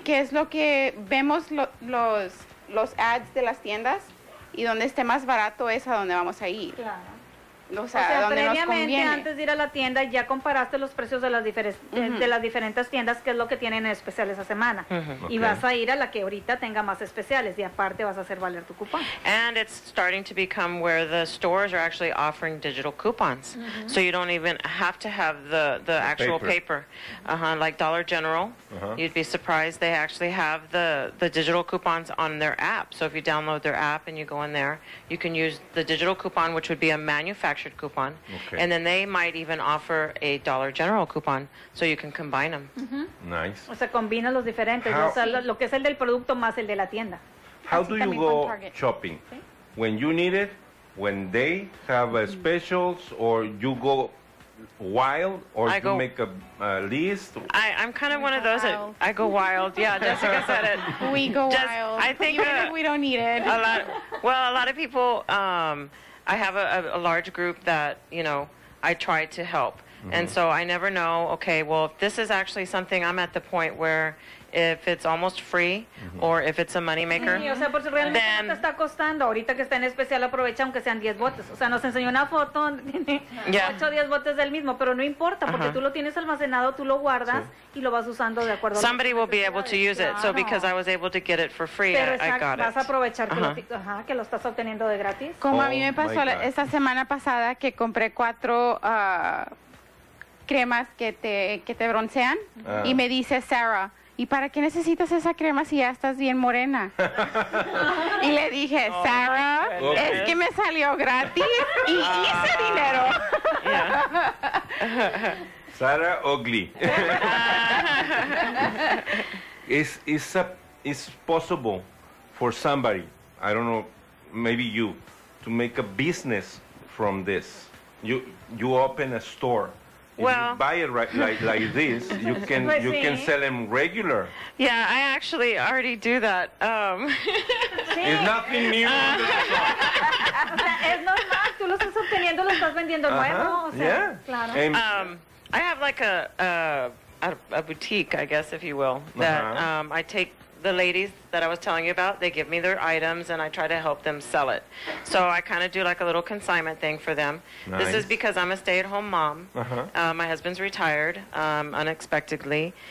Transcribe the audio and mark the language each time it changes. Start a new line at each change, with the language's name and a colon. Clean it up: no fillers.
Spanish: ¿Qué es lo que vemos los ads de las tiendas? Y donde esté más barato es a donde vamos a ir. Claro. O sea, previamente, nos antes de ir a la tienda, ya comparaste los precios de las, de las diferentes tiendas, que es lo que tienen especial esa semana. Y vas a ir a la que ahorita tenga más especiales, y aparte vas a hacer valer tu cupón.
English: And it's starting to become where the stores are actually offering digital coupons. So you don't even have to have the actual paper. Like Dollar General, you'd be surprised, they actually have the digital coupons on their app. So if you download their app and you go in there, you can use the digital coupon, which would be a manufactured coupon, and then they might even offer a Dollar General coupon, so you can combine them. Nice.
Spanish: O sea, combina los diferentes. O sea, lo que es el del producto más el de la tienda.
English: How do you go shopping? When you need it, when they have specials, or you go wild, or you make a list? I'm kind of one of those. I go wild. Yeah, Jessica said it. We go wild. I think even if we don't need it. A lot of people. I have a large group that, you know, I try to help. And so I never know, okay, well, if this is actually something, I'm at the point where if it's almost free or if it's a moneymaker,
Spanish: sí, o sea, por si realmente then... ¿Cuánto está costando? Ahorita que está en especial, aprovecha aunque sean 10 botes. O sea, nos enseñó una foto, tiene 8 o 10 botes del mismo, pero no importa, porque tú lo tienes almacenado, tú lo guardas y lo vas usando de acuerdo a...
English: Somebody will be able to use it, so because I was able to get it for free, I got it.
Spanish: Pero vas a aprovechar que lo estás obteniendo de gratis. Como a mí me pasó esta semana pasada, que compré 4... cremas que te broncean y me dice Sarah, ¿y para qué necesitas esa crema si ya estás bien morena? Y le dije, Sarah, es que me salió gratis y hice dinero.
English: Sarah ugly. It's possible for somebody, I don't know, maybe you, to make a business from this. You open a store. Well, if you buy it right, like this, you can sell them regular. Yeah, I actually already do that. It's nothing new.
Spanish: O sea, es normal. Tú lo estás obteniendo, lo estás vendiendo nuevo. O sea,
English: yeah.
Spanish: Claro.
English: I have like a boutique, I guess, if you will, that I take the ladies that I was telling you about. They give me their items, and I try to help them sell it. So I kind of do like a little consignment thing for them. Nice. This is because I'm a stay-at-home mom. My husband's retired unexpectedly.